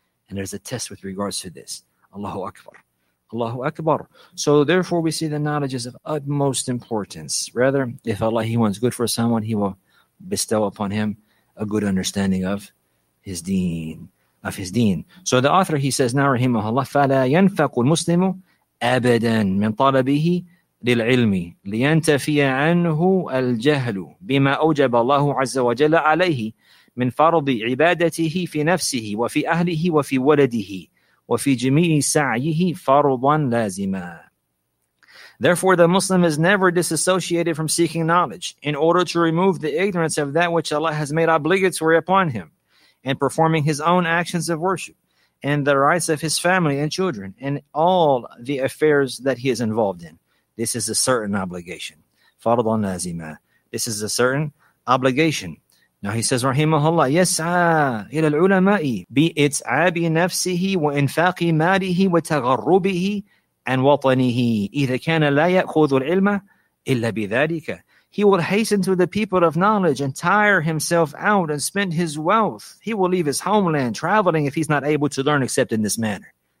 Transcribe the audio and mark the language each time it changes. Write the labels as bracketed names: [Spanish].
[English] And there's a test with regards to this. Allahu Akbar. Allahu Akbar. So therefore, we see the knowledge is of utmost importance. Rather, if Allah, he wants good for someone, he will bestow upon him a good understanding of his deen, of his deen. So the author, he says, now, rahimahullah, [Arabic] فَلَا يَنْفَقُ الْمُسْلِمُ أَبَدًا مِنْ طَلَبِهِ لِلْعِلْمِ لِيَنْتَفِيَ عَنْهُ الْجَهْلُ بِمَا أَوْجَبَ اللَّهُ عَزَّ وَجَلَّ عَلَيْهِ مِنْ فَرْضِ عِبَادَتِهِ فِي نَفْسِهِ وَفِي أَهْلِهِ وَفِي وَلَدِهِ وَفِي جَمِيعِ سَعْيِهِ فَرْضًا لَازِمًا. [English] Therefore, the Muslim is never disassociated from seeking knowledge in order to remove the ignorance of that which Allah has made obligatory upon him, and performing his own actions of worship, and the rights of his family and children, and all the affairs that he is involved in. This is a certain obligation. [Arabic] فَرْضُ النَّازِمَةِ. [English] This is a certain obligation. Now he says, rahimahullah, [Arabic] يَسْعَى إِلَى الْعُلَمَاءِ بِإِتْعَابِ نَفْسِهِ وَإِنْفَاقِ مَالِهِ وَتَغَرُّبِهِ and وطنه إذا كان لا يأخذ العلم إلا بذلك. [English] He will hasten to the people of knowledge and tire himself out and spend his wealth. He will leave his homeland traveling if he's not able to learn except in this manner.